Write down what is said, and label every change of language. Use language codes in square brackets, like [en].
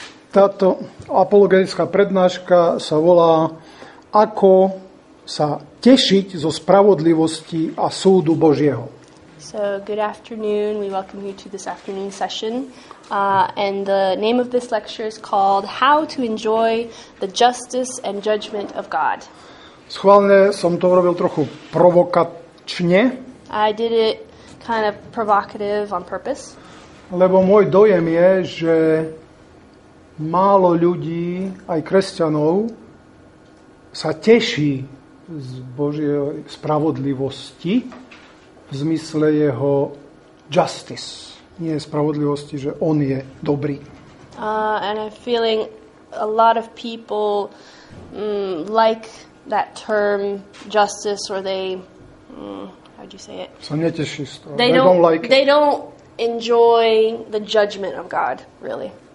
[sk] Táto apologetická prednáška sa volá Ako sa tešiť zo spravodlivosti a súdu Božieho. [en] So, good afternoon. We welcome you to this afternoon session. And the name of this lecture is called How to Enjoy the Justice and Judgment of God. [sk] Schválne som to urobil trochu provokačne. [en] I did it kind of provocative on purpose. [sk] Lebo môj dojem je, že málo ľudí, aj kresťanov, sa teší z Božej spravodlivosti v zmysle jeho justice. Nie spravodlivosti, že on je dobrý. [en] And I'm feeling a lot of people like that term justice, or they, how do you say it? [sk] Sa neteší z toho. [en] They don't enjoy the judgment of God, really.